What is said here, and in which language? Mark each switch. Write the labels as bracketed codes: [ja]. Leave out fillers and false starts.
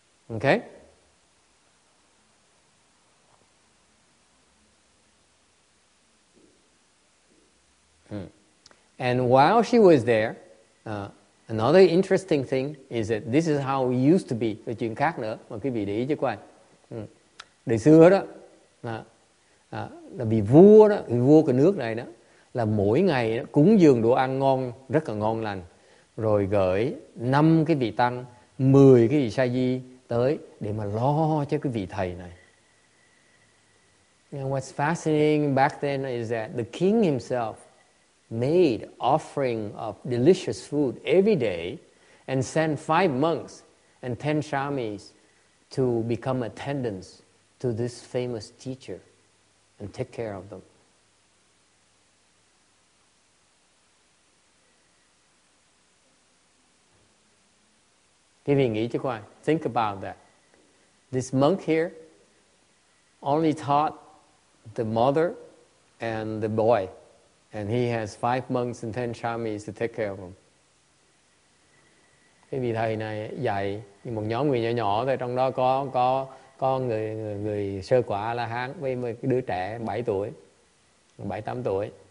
[en] Okay? And while she was there, another interesting thing is that this is how we used to be. [vi] Cái chuyện khác nữa, mà quý vị để ý cho qua. Đời xưa đó, là vì vua đó, vì vua cái nước này đó, là mỗi ngày đó, cúng dường đồ ăn ngon, rất là ngon lành. Rồi gửi 5 cái vị tăng, 10 cái vị sa di tới để mà lo cho cái vị thầy này. [en] And what's fascinating back then is that the king himself made offering of delicious food every day and sent 5 monks and 10 shamis to become attendants to this famous teacher and take care of them. [vi] Quý vị nghĩ chứ coi, [en] think about that. This monk here only taught the mother and the boy. And he has 5 monks and 10 shamis to take care of him. [vi] Cái vị thầy này dạy một nhóm người nhỏ nhỏ thôi, trong đó có người sơ quả la hán với một đứa trẻ 7 tuổi, 7-8 tuổi.